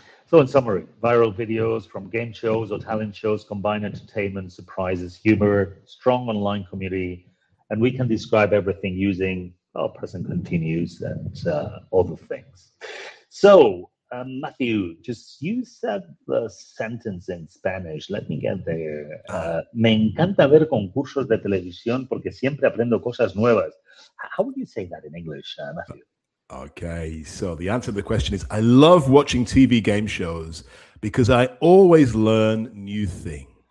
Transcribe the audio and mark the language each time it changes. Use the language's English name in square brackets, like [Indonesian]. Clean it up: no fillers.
[English] So in summary, viral videos from game shows or talent shows combine entertainment, surprises, humor, strong online community, and we can describe everything using present continuous and other things. So, Matthew, just you said the sentence in Spanish. Let me get there. [Spanish] Me encanta ver concursos de televisión porque siempre aprendo cosas nuevas. [English] How would you say that in English, Matthew? Okay, so the answer to the question is I love watching TV game shows because I always learn new things.